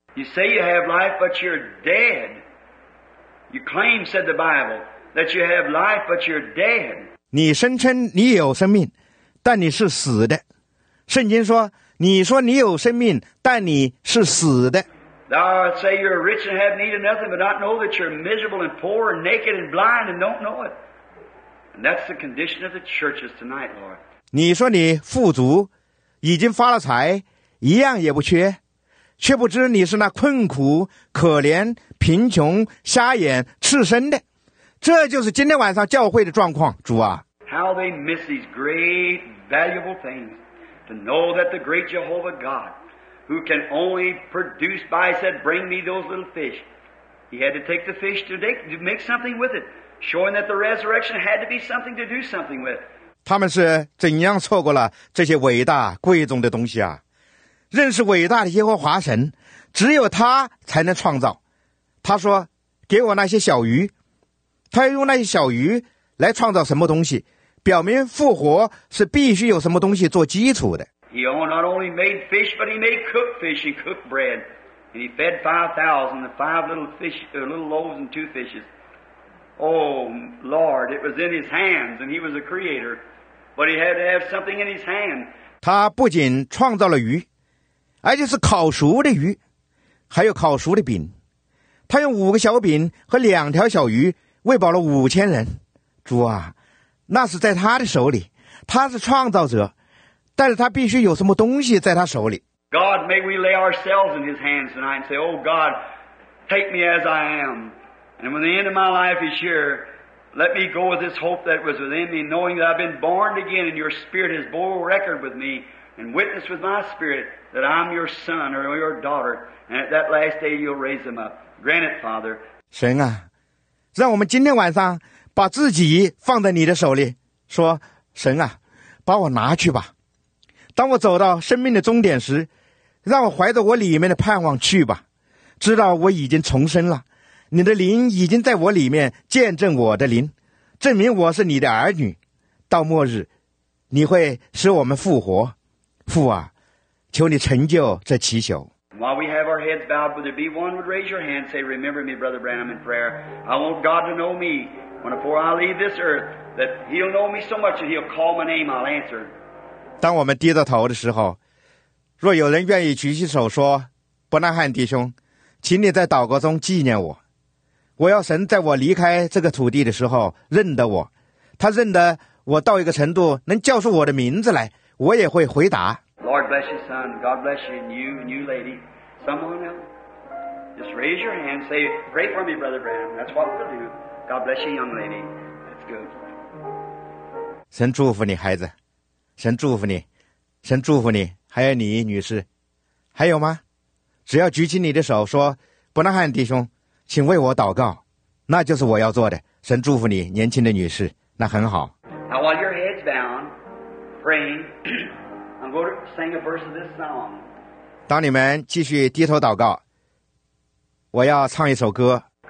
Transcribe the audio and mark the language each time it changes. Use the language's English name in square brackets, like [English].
[English] You say you have life, but you're dead. You claim, said the Bible, that you have life, but you're dead. [Chinese] 你声称你有生命，但你是死的。圣经说，你说你有生命，但你是死的。 [English] Thou say you're rich and have need of nothing, but not know that you're miserable and poor and naked and blind and don't know it. And that's the condition of the churches tonight, Lord. [Chinese] 你说你富足，已经发了财，一样也不缺，却不知你是那困苦、可怜、贫穷、瞎眼、赤身的。这就是今天晚上教会的状况，主啊。 [English] How they miss these great, valuable things to know that the great Jehovah God,who can only produce by, said, bring me those little fish. He had to take the fish to make something with it, showing that the resurrection had to be something to do something with. [Chinese] 他们是怎样错过了这些伟大贵重的东西啊？认识伟大的耶和华神，只有他才能创造。他说，给我那些小鱼，他要用那些小鱼来创造什么东西，表明复活是必须有什么东西做基础的。 [English] He not only made fish, but he made cooked fish and cooked bread. And he fed 5,000, the five little fish, little loaves and two fishes. Oh, Lord, it was in his hands, and he was a creator. But he had to have something in his hand. [Chinese] 他不仅创造了鱼，而且是烤熟的鱼，还有烤熟的饼。他用五个小饼和两条小鱼喂饱了5000人。主啊，那是在他的手里，他是创造者。但是他必须有什么东西在他手里。 [English] God, may we lay ourselves in his hands tonight and say, Oh God, take me as I am. And when the end of my life is here, let me go with this hope that was within me, knowing that I've been born again and your spirit has bore record with me and witnessed with my spirit that I'm your son or your daughter. And at that last day, you'll raise them up. Grant it, Father. [Chinese] 神啊，让我们今天晚上把自己放在你的手里，说，神啊，把我拿去吧。当我走到生命的终点时，让我怀着我里面的盼望去吧，知道我已经重生了，你的灵已经在我里面见证我的灵，证明我是你的儿女。到末日，你会使我们复活。父啊，求你成就这祈求。 [English] While we have our heads bowed, would there be one would raise your hand, say, Remember me, Brother Branham, in prayer. I want God to know me when before I leave this earth, that He'll know me so much that He'll call my name, I'll answer. [Chinese] 当我们低着头的时候，若有人愿意举起手说，伯纳汉弟兄，请你在祷告中纪念我，我要神在我离开这个土地的时候认得我，他认得我到一个程度能叫出我的名字来，我也会回答。 [English] Lord bless you son, God bless you, and you, and you lady, someone else, just raise your hand, say, pray for me brother Branham, that's what we'll do, God bless you young lady, that's good. [Chinese] 神祝福你孩子，神祝福你，神祝福你，还有你女士，还有吗？只要举起你的手说，伯纳汉弟兄，请为我祷告，那就是我要做的。神祝福你，年轻的女士，那很好。 [English] Now while your head's bound, praying, I'm going to sing a verse of this song. [Chinese] 当你们继续低头祷告，我要唱一首歌。